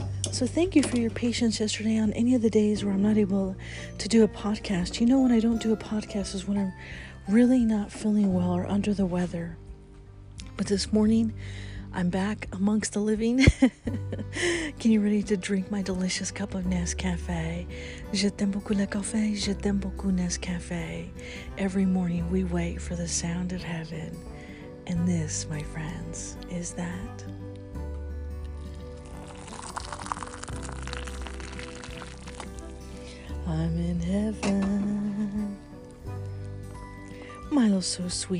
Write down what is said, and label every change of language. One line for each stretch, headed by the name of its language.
English: So thank you for your patience yesterday on any of the days where I'm not able to do a podcast. You know, when I don't do a podcast is when I'm really not feeling well or under the weather. But this morning, I'm back amongst the living, getting ready to drink my delicious cup of Nescafe.
French: Je t'aime beaucoup le café, je t'aime beaucoup Nescafe.
English: Every morning we wait for the sound of heaven. And this, my friends, is that. I'm in heaven. Milo's so sweet.